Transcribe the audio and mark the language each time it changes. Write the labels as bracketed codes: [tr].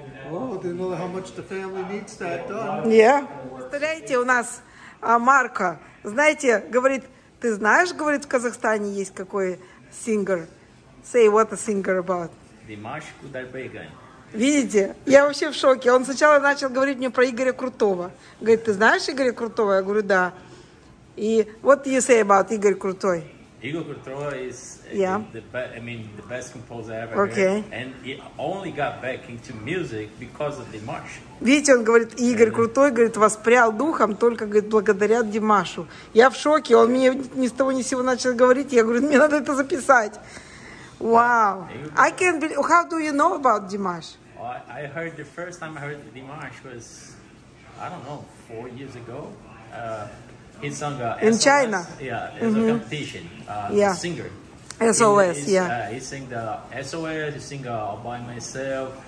[en] Oh, didn't know how much the family needs that done. Yeah. [ru] Представляете, у нас Марка, знаете, говорит, ты знаешь, говорит, в Казахстане есть какой singer? [en] Say what a singer about? [ru] Димаш Кудайбеган. Видите, я вообще в шоке. Он сначала начал говорить мне про Игоря Крутого. Говорит, ты знаешь Игоря Крутого? Я говорю, да. [en] И what do you say about Игорь Крутой? Игорь Крутой is the best composer I ever heard. And he only got back into music because of Димаш. [ru] Видите, он говорит, Игорь Крутой, говорит, воспрял духом только, говорит, благодаря Димашу. Я в шоке, он мне ни с того ни с сего начал говорить. Я говорю, мне надо это записать. [en] Wow. I can't believe, how do you know about Димаш? I heard, the first time I heard Димаш was, I don't know, 4 years ago. He's on the in China. Yeah, it's a competition. The singer. SOS, He sing the SOS, he sing All By Myself.